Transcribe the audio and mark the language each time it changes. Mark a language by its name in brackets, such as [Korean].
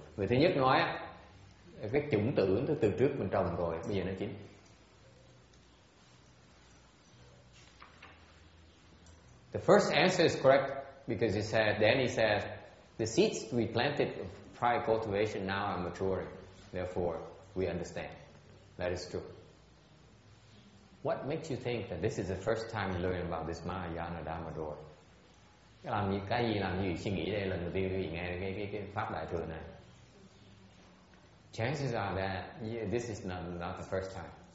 [Vietnamese] Người thứ nhất nói cái chủng tử từ trước mình trồng rồi bây giờ nó chín. [English] The first answer is correct because he said, then he said, the seeds we planted prior cultivation now are maturing. Therefore, we understand. That is true. What makes you think that this is the first time you're learning about this Mahayana Dhamma door? [Vietnamese] Làm gì, cái gì làm gì suy nghĩ đây lần đầu tiên quý vị nghe cái pháp đại thừa này. [English] Chances are that yeah, this is not the first time.